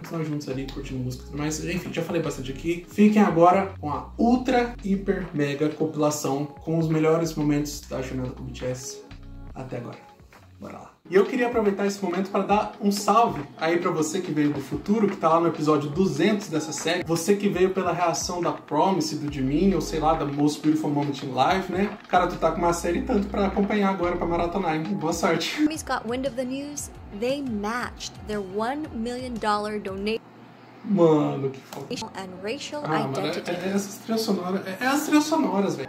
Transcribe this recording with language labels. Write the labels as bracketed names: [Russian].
[Portuguese] Estamos juntos ali curtindo música, mas enfim, já falei bastante aqui. Fiquem agora com a ultra hiper mega compilação com os melhores momentos da jornada com o BTS até agora. Bora lá. E eu queria aproveitar esse momento para dar um salve aí para você que veio do futuro, que tá lá no episódio 200 dessa série. Você que veio pela reação da Promise, do Jimin, ou sei lá, da Most Beautiful Moment in Life, né? Cara, tu tá com uma série tanto para acompanhar agora para maratonar, hein? Boa sorte. [English] Promise got wind of the news. They matched their $1 million donation. [Portuguese] Mano, que foda. [English] And racial identity. [Portuguese] Ah, mano, essas trilhas sonoras, velho.